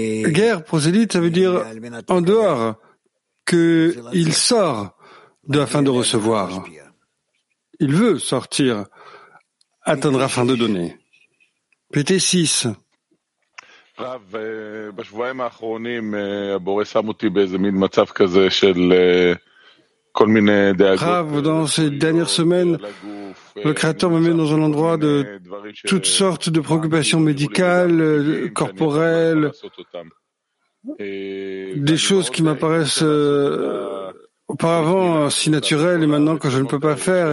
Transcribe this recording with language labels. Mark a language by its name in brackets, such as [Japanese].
[French] Guerre, prosélyte, ça veut dire en dehors, qu'il sort de afin de recevoir. Il veut sortir attendra fin de donner. PT 6. [Hebrew] רב, בשבועיים האחרונים הבורא שם אותי באיזה מין מצב כזה של כל מיני דאגות. [French] רב, dans ces dernières semaines, le Créateur m'a mis dans un endroit de toutes sortes de préoccupations médicales, corporelles, des choses qui m'apparaissent auparavant si naturelles et maintenant que je ne peux pas faire.